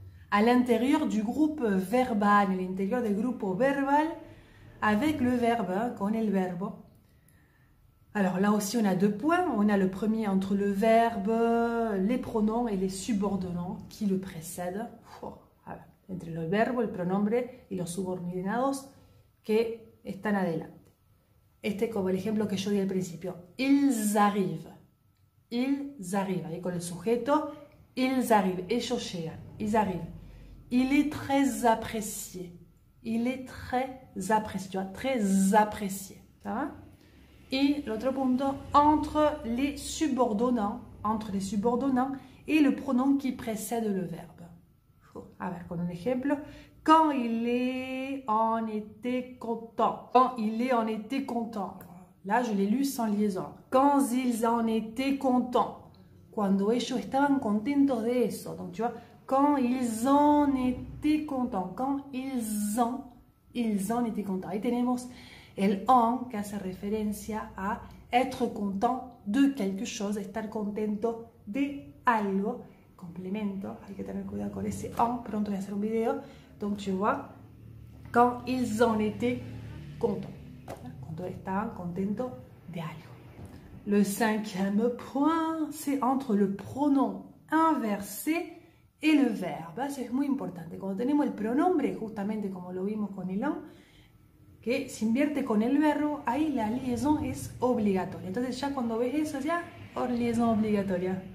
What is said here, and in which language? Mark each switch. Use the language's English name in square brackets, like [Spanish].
[French] À l'intérieur du groupe verbal, à l'intérieur du groupe verbal, avec le verbe, hein, qu'on est le verbe. Alors là aussi, on a deux points. On a le premier entre le verbe, les pronoms et les subordonnants qui le précèdent. Entre le verbe, [Spanish] le pronombre y los subordinados que están adelante. Este es como el ejemplo que yo di al principio. [French] Ils arrivent. Ils arrivent. [Spanish] Ahí con el sujeto, [French] ils arrivent. [Spanish] Ellos llegan. [French] Ils arrivent. Il est très apprécié. Il est très apprécié. Très apprécié. [Spanish] ¿Está bien? Y el otro punto, entre les subordonnants. [French] Entre les subordonnants et le pronom qui précède le verbe. [Spanish] A ver, con un ejemplo. [French] Quand il est en été content. Quand il est en été content. Là, je l'ai lu sans liaison. Quand ils en étaient contents. [Spanish] Cuando ellos estaban contentos de eso. [French] Donc, tu vois, quand ils en étaient contents. Quand ils en étaient contents. [Spanish] Ahí tenemos el en, que hace referencia a [French] être content de quelque chose, [Spanish] estar contento de algo. Complemento, hay que tener cuidado con ese en, pronto voy a hacer un video. [French] Donc tu vois, quand ils en étaient contents, quand ils étaient [Spanish] contentos de algo. [French] Le cinquième point, c'est entre le pronom inversé et le verbe. [Spanish] C'est muy importante, cuando tenemos el pronombre, justamente como lo vimos con el en, que se invierte con el verbo, ahí la liaison es obligatoria. Entonces ya cuando ves eso, ya, hors liaison obligatoria.